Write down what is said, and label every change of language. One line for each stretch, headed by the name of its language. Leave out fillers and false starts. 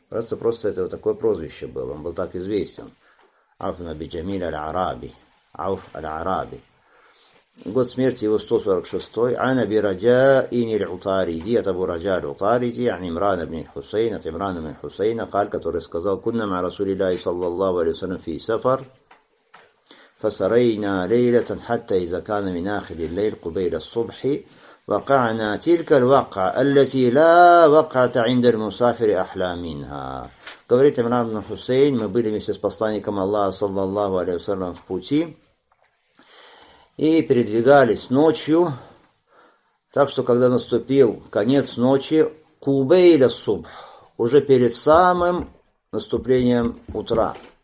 Russian: Просто это вот такое прозвище было. Он был так известен. Ауф ибн Аби Джамиля, Аль-Араби. Ауф Аль-Араби. Год смерти его 146-й.
Arabic: Ана би раджа ини ль-Утариди,
Russian: от Абу Раджа ль-Утариди,
Arabic: ан Имран ибн Хусейн,
Russian: от Имран ибн Хусейна,
Arabic: каль,
Russian: который сказал,
Arabic: кунна маа Расули Ллахи саллаллаху алейхи ва саллям фи сафар. فسرينا ليلة حتى إذا كان من آخر الليل قبيل الصبح وقعنا تلك الواقعة التي لا وقعت عند المسافر أحلى منها.
Russian: Говорит Имран ибн Хусейн, мы были вместе с посланником Аллаха саллаллаху алейхи ва саллям в пути и передвигались ночью, так что когда наступил конец ночи,
Arabic: قبيل الصبح,
Russian: уже перед самым наступлением утра.